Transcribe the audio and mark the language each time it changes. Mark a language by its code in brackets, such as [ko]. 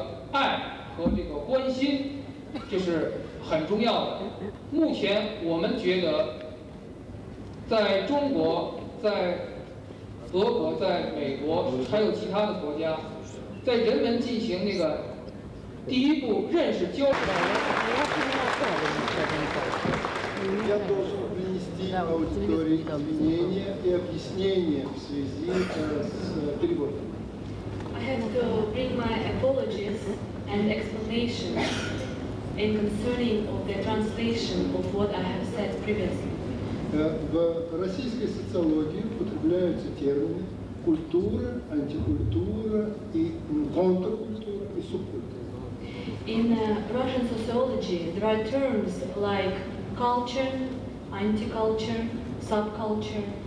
[zh] 统一的问题，那么和平对大家来讲呢是第一重要的，而且呢，在下一个世纪呢，不要造成内部的冲突，也不要造成外部的冲突。另外一个呢，中国要走向国际化，要有这个很好的国际的合作，所以呢，出于这个爱和这个关心，就是。很重要的。目前我们觉得，在中国、在俄国、在美国，还有其他的国家，在人们进行那个第一步认识交流。 [en] bring my apologies and explanations in concerning of the translation of what I have said previously. [ru] В российской социологии употребляются термины культура, антикультура и контркультура и субкультура. [en] In Russian sociology, there are terms like culture, anti-culture, subculture.